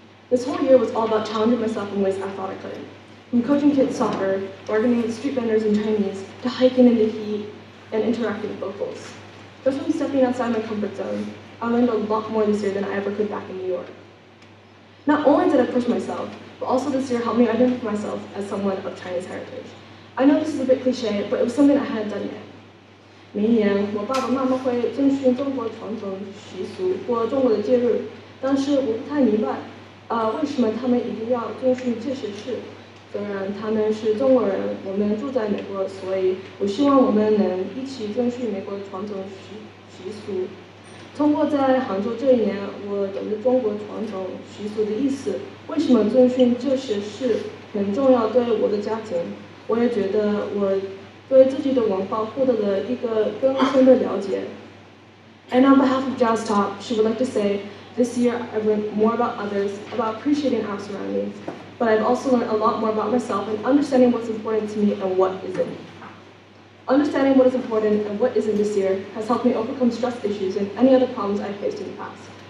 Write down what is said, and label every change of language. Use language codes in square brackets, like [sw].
[en] This whole year was all about challenging myself in ways I thought I could. From coaching kids soccer, bargaining with street vendors in Chinese, to hiking in the heat, and interacting with locals. Just from stepping outside my comfort zone, I learned a lot more this year than I ever could back in New York. Not only did I push myself, but also this year helped me identify myself as someone of Chinese heritage. I know this is a bit cliche, but it was something I hadn't done yet. [zh] 明年我爸爸妈妈会遵循中国传统习俗过中国的节日，但是我不太明白，为什么他们一定要遵循这些事？虽然他们是中国人，我们住在美国，所以我希望我们能一起遵循美国的传统习俗。通过在杭州这一年，我懂得中国传统习俗的意思，为什么遵循这些事很重要对我的家庭。我也觉得我对自己的文化获得了一个更深的了解。 [en] And on behalf of Jazz Top, she would like to say, this year I learned more about others, about appreciating our surroundings, but I've also learned a lot more about myself and understanding what's important to me and what isn't. Understanding what is important and what isn't this year has helped me overcome stress issues and any other problems I've faced in the past.